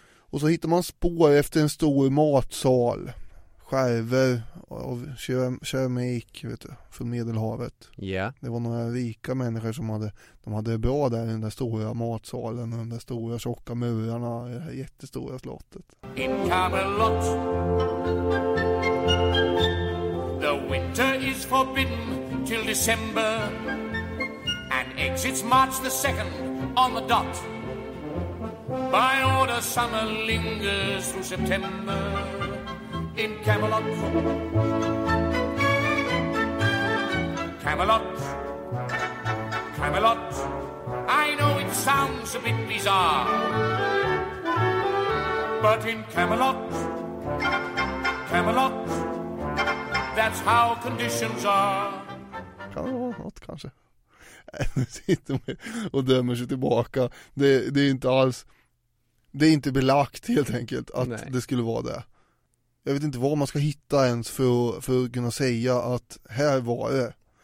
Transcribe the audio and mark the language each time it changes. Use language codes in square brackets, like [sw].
[sv] Och så hittar man spår efter en stor matsal. Skärver av keramik, vet du, från Medelhavet. [en] Yeah. [sv] Det var några rika människor som hade, de hade det bra där i den där stora matsalen och den där stora tjocka murarna i det här jättestora slottet. [en] In Camelot, the winter is forbidden till December, and exits March the 2nd on the dot. By order summer lingers through September. In Camelot, Camelot, Camelot, I know it sounds a bit bizarre, but in Camelot, Camelot, that's how conditions are. [sv] Kan det vara något kanske? Sitter med och dömer sig tillbaka. Det är inte alls, det är inte belagt helt enkelt att Nej. Det skulle vara det. Jag vet inte vad man ska hitta ens för att kunna säga att här var det.